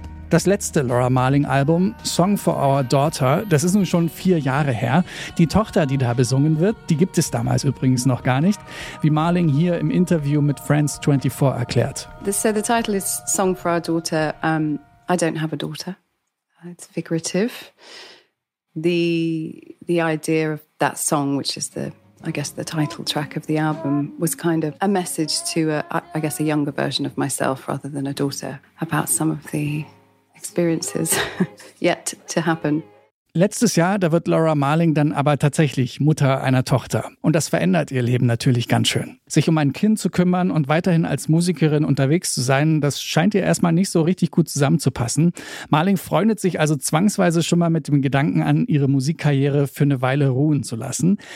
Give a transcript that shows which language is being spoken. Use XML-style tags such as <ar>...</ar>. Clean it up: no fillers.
<de>Das letzte Laura Marling-Album, Song for Our Daughter, das ist nun schon 4 Jahre her. Die Tochter, die da besungen wird, die gibt es damals übrigens noch gar nicht, wie Marling hier im Interview mit Friends 24 erklärt.</de> <en>So the title is Song for Our Daughter. I don't have a daughter. It's figurative. The idea of that song, which is the title track of the album, was kind of a message to a younger version of myself rather than a daughter about some of the experiences yet to happen.</en> <de>Letztes Jahr, da wird Laura Marling dann aber tatsächlich Mutter einer Tochter. Und das verändert ihr Leben natürlich ganz schön. Sich um ein Kind zu kümmern und weiterhin als Musikerin unterwegs zu sein, das scheint ihr erstmal nicht so richtig gut zusammenzupassen. Marling freundet sich also zwangsweise schon mal mit dem Gedanken an, ihre Musikkarriere für eine Weile ruhen zu lassen.</de>